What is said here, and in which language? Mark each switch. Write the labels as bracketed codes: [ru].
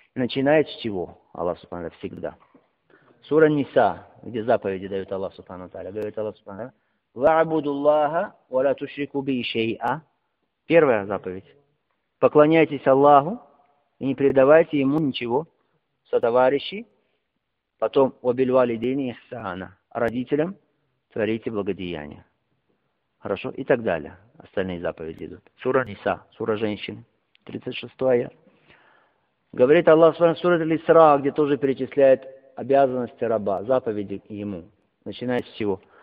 [ru] И начинает с чего Аллах Субхану всегда? Сура Ниса, где заповеди дает Аллах Субхану Тааля, говорит Аллах Субхану Тааля. [ar] وَعَبُدُ اللَّهَ وَلَا تُشْرِكُ بِي شَيْئًا. [ru] Первая заповедь. Поклоняйтесь Аллаху и не предавайте Ему ничего. Сотоварищи. Потом [ar] وَبِالْوَالِدَيْنِ إِحْسَانًا. [ru] Родителям творите благодеяния. Хорошо? И так далее. Остальные заповеди идут. Сура Ниса. Сура женщин. 36 аят. Говорит Аллах Субхану Тааля, сура Аль-Исра, где тоже перечисляет обязанности раба, заповеди ему. Начиная с всего.